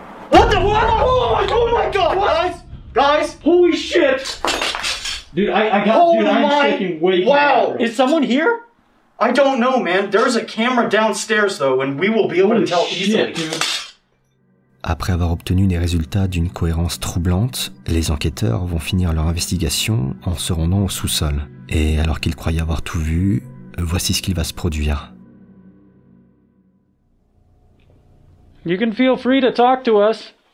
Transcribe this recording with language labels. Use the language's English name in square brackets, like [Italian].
[English] What the? What? Oh my god! What? Guys! Holy shit! Dude, I'm shaking way too hard. Wow! Is someone here? I don't know, man. There's a camera downstairs, though, and we will be able to tell easily. Dude. [French] Après avoir obtenu des résultats d'une cohérence troublante, les enquêteurs vont finir leur investigation en se rendant au sous-sol. Et alors qu'ils croyaient avoir tout vu, voici ce qu'il va se produire. [English] You can feel free to talk to us.